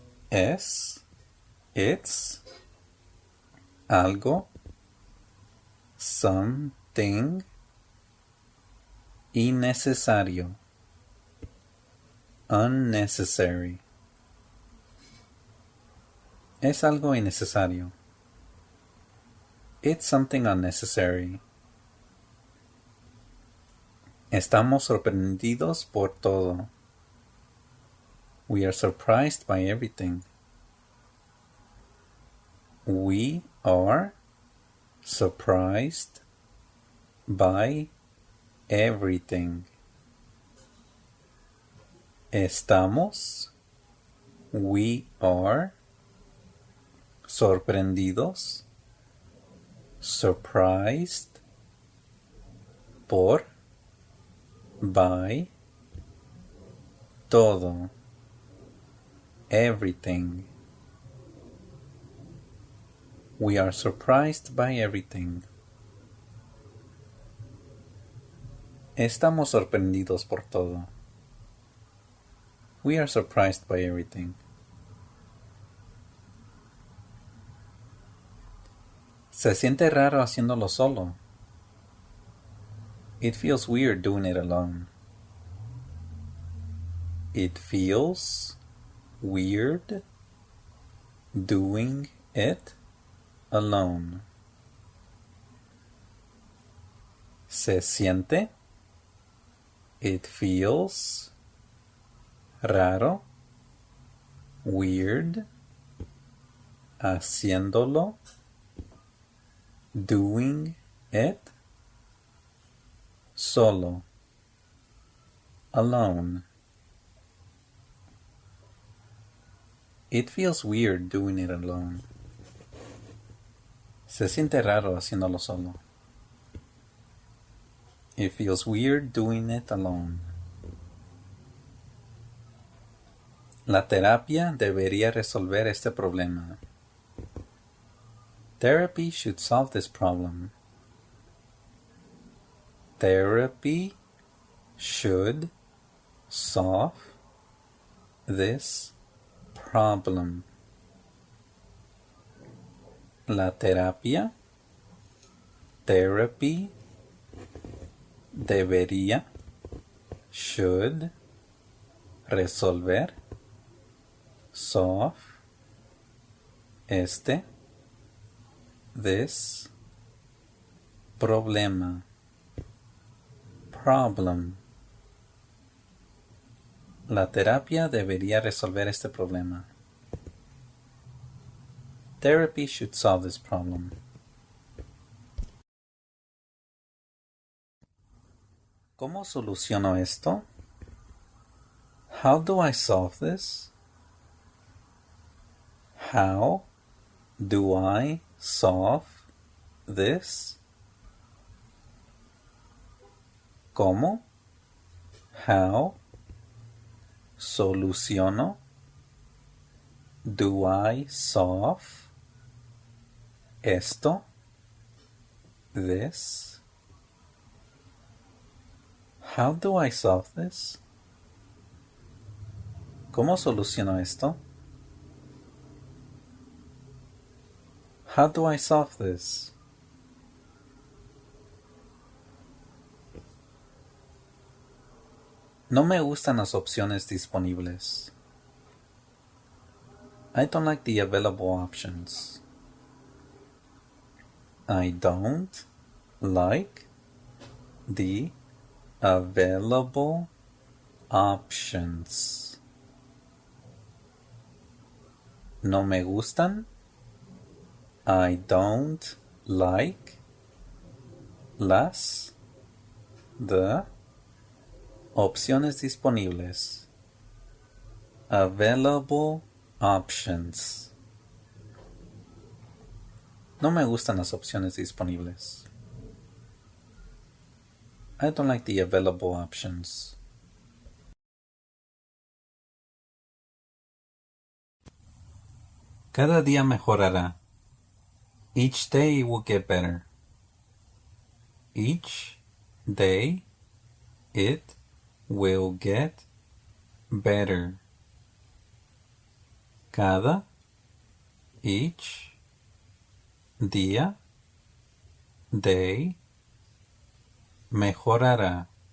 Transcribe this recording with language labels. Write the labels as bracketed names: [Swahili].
[Spanish] Es, [English] it's, [Spanish] algo, [English] something [Spanish] innecesario, [English] unnecessary. [Spanish] Es algo innecesario. [English] It's something unnecessary. [Spanish] Estamos sorprendidos por todo. [English] We are surprised by everything. We are surprised by everything. [Spanish] Estamos, [English] we are, [Spanish] sorprendidos, [English] surprised, [Spanish] por, [English] by, [Spanish] todo, [English] everything. We are surprised by everything. [Spanish] Estamos sorprendidos por todo. [English] We are surprised by everything. [Spanish] Se siente raro haciéndolo solo. [English] It feels weird doing it alone. It feels weird doing it alone. [Spanish] Se siente. [English] It feels [Spanish] raro, [English] weird, [Spanish] haciéndolo, [English] doing it, [Spanish] solo, [English] alone. It feels weird doing it alone. [Spanish] Se siente raro haciéndolo solo. [English] It feels weird doing it alone. [Spanish] La terapia debería resolver este problema. [English] Therapy should solve this problem. Therapy should solve this problem. [Spanish] La terapia [English] Therapy. [Spanish] Debería. [English] Should. [Spanish] Resolver. [English] Solve. [Spanish] Este. [English] This. [Spanish] Problema. [English] Problem. [Spanish] La terapia debería resolver este problema. [English] Therapy should solve this problem. [Spanish] ¿Cómo soluciono esto? [English] How do I solve this? How do I solve this? [Spanish] ¿Cómo? [English] How? [Spanish] ¿Soluciono? [English] Do I solve [Spanish] esto? [English] This? How do I solve this? [Spanish] ¿Cómo soluciono esto? [English] How do I solve this? [Spanish] No me gustan las opciones disponibles. [English] I don't like the available options. I don't like the available options. [Spanish] No me gustan. [English] I don't like [Spanish] las [English] the [Spanish] opciones disponibles. [English] Available options. [Spanish] No me gustan las opciones disponibles. [English] I don't like the available options. [Spanish] Cada día mejorará. [English] Each day will get better. Each day it will get better. [Spanish] Cada, [English] each, [Spanish] día, [English] day, [Spanish] mejorará.